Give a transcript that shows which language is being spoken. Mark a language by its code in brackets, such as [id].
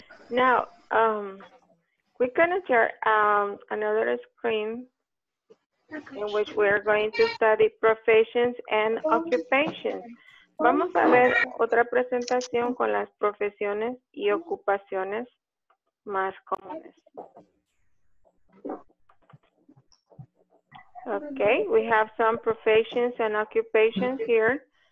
[en] Now, we're going to share another screen in which we're going to study professions and occupations. [es] Vamos a ver otra presentación con las profesiones y ocupaciones más comunes. [en] Okay, we have some professions and occupations here.